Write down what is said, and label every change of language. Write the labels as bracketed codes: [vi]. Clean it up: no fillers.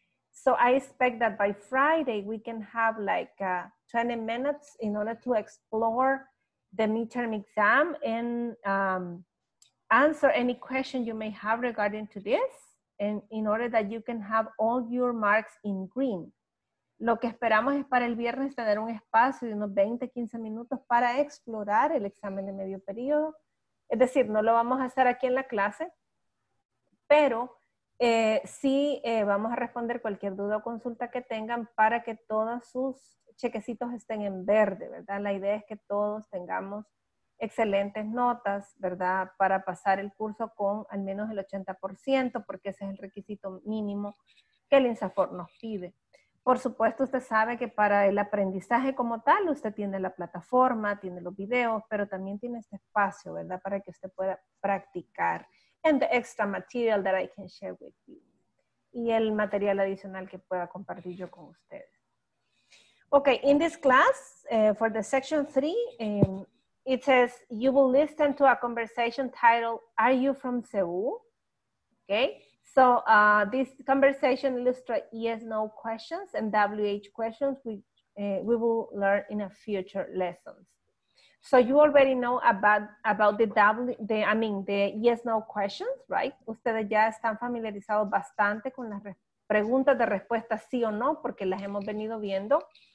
[en] So I expect that by Friday we can have like 20 minutes in order to explore the midterm exam and answer any question you may have regarding to this. And in order that you can have all your marks in green. [es] Lo que esperamos es para el viernes tener un espacio de unos 20, 15 minutos para explorar el examen de medio periodo. Es decir, no lo vamos a hacer aquí en la clase, pero sí vamos a responder cualquier duda o consulta que tengan para que todos sus chequecitos estén en verde, ¿verdad? La idea es que todos tengamos excelentes notas, ¿verdad? Para pasar el curso con al menos el 80%, porque ese es el requisito mínimo que el INSAFOR nos pide. Por supuesto, usted sabe que para el aprendizaje como tal, usted tiene la plataforma, tiene los videos, pero también tiene este espacio, ¿verdad? Para que usted pueda practicar. [en] And the extra material that I can share with you. [es] Y el material adicional que pueda compartir yo con ustedes. [en] Okay, in this class, for the section 3, it says, you will listen to a conversation titled, Are You From Seoul? Okay. So this conversation illustrates yes, no questions and WH questions, which we will learn in a future lessons. So you already know about the the yes no questions, right? [es] Ustedes ya están familiarizados bastante con las preguntas de respuesta sí o no, porque las hemos venido viendo.